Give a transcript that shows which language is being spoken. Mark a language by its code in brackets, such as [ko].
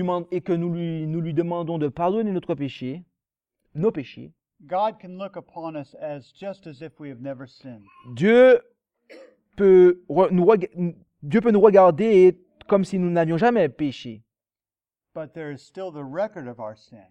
[fr] et que nous lui demandons de pardonner nos péchés, [en] God can look upon us as just as if we have never sinned. [fr] Dieu peut nous regarder comme si nous n'avions jamais péché. [en] But there is still the record of our sin.